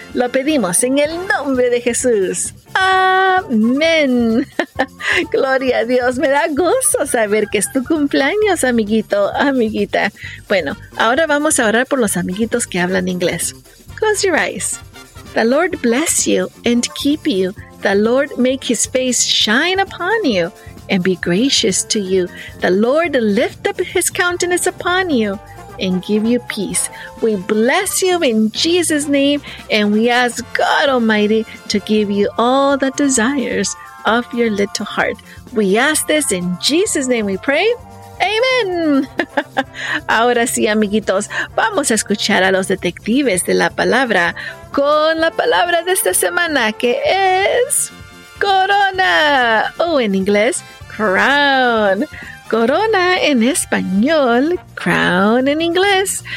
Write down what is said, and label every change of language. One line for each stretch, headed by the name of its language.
Spanish: Lo pedimos en el nombre de Jesús. ¡Amén! Gloria a Dios. Me da gusto saber que es tu cumpleaños, amiguito, amiguita. Bueno, ahora vamos a orar por los amiguitos que hablan inglés.
English: Close your eyes. The Lord bless you and keep you. The Lord make his face shine upon you and be gracious to you. The Lord lift up his countenance upon you and give you peace. We bless you in Jesus' name and we ask God Almighty to give you all the desires of your little heart. We ask this in Jesus' name we pray. Amen.
Spanish: Ahora sí, amiguitos, vamos a escuchar a los detectives de la palabra con la palabra de esta semana que es corona o en inglés crown. Corona en español, crown en inglés.